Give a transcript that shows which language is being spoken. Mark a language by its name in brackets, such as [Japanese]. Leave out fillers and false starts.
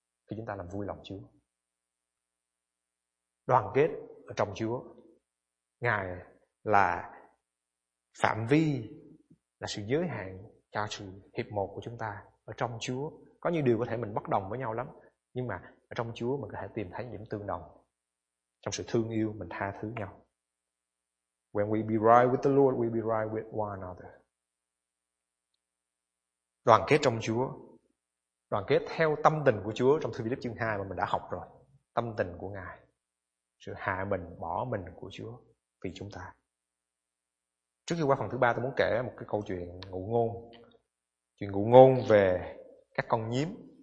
[Vietnamese] Khi chúng ta làm vui lòng Chúa, đoàn kết ở trong Chúa, Ngài là phạm vi, là sự giới hạn cho sự hiệp một của chúng ta ở trong Chúa. Có nhiều điều có thể mình bất đồng với nhau lắm, nhưng mà ở trong Chúa mình có thể tìm thấy những tương đồng. Trong sự thương yêu, mình tha thứ nhau. [English] When we be right with the Lord, we be right with one another. [Vietnamese] Đoàn kết trong Chúa, đoàn kết theo tâm tình của Chúa trong thư Philip chương 2 mà mình đã học rồi. Tâm tình của Ngài, sự hạ mình, bỏ mình của Chúa vì chúng ta. Trước khi qua phần thứ 3, tôi muốn kể một cái câu chuyện ngụ ngôn. Chuyện ngụ ngôn về các con nhím.